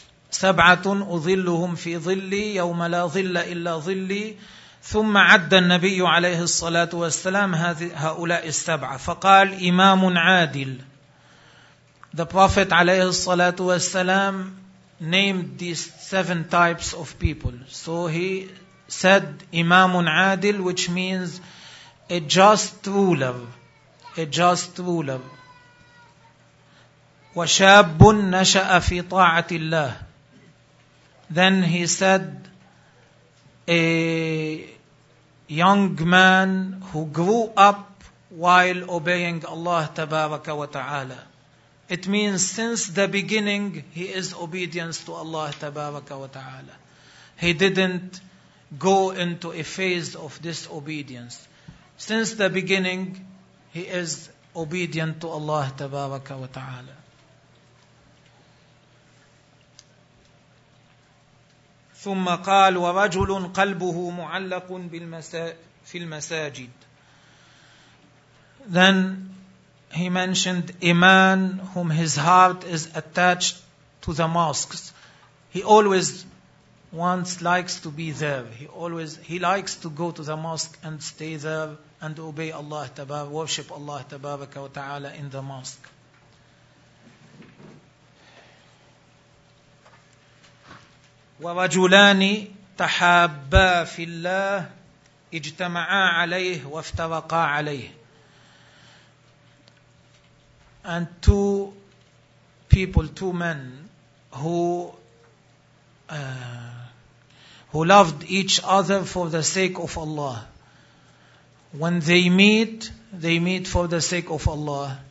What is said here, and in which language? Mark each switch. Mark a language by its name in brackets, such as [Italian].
[Arabic] سبعة أظلهم في ظلي يوم لا ظل إلا ظلي. ثم عد النبي عليه الصلاة والسلام هؤلاء السبعة فقال إمام عادل. [English] The Prophet [Arabic] عليه الصلاة والسلام [English] named these seven types of people. So he said [Arabic] إمام عادل, [English] which means a just ruler. A just ruler. [Arabic] وشاب نشأ في طاعة الله. [English] Then he said, a young man who grew up while obeying Allah Tabaraka wa Ta'ala. It means since the beginning he is obedience to Allah Tabaraka wa Ta'ala. He didn't go into a phase of disobedience. Since the beginning he is obedient to Allah Tabaraka wa Ta'ala. [Arabic] ثم قال ورجل قلبه معلق في المساجد. [English] Then he mentioned a man whom his heart is attached to the mosques. He always wants, likes to be there. He likes to go to the mosque and stay there and obey Allah, worship Allah Tabaraka wa Ta'ala in the mosque. [Arabic] ورجلان تحابا في الله اجتمعا عليه وافترقا عليه. [English] And two people, two men who loved each other for the sake of Allah. When they meet for the sake of Allah.